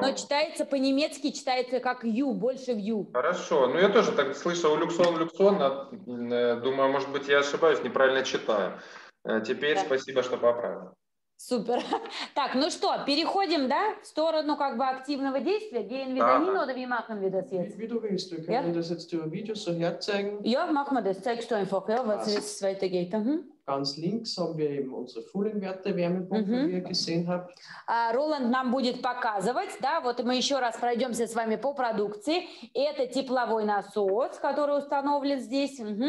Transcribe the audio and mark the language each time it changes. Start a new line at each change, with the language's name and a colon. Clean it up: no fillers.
Russian: Но читается по-немецки, читается как ю, больше в ю. Хорошо, ну я тоже так слышал люксон, люксон, думаю, может быть, я ошибаюсь, неправильно читаю. Теперь спасибо, что поправил. Супер. Так, ну что, переходим, да, в сторону как бы активного действия.
German: Gehen wir dahin oder wie machen wir das jetzt? Wie du willst, wir können das jetzt über Video so herzeigen. Ja, machen wir das. Zeigst du einfach, ja, was jetzt weitergeht. Ganz links haben wir eben unsere Fulling-Werte, Wärmepumpe, wie ihr gesehen habt.
Russian: Roland нам будет показывать, да, вот мы еще раз пройдемся с вами по продукции. Это тепловой насос, который установлен здесь.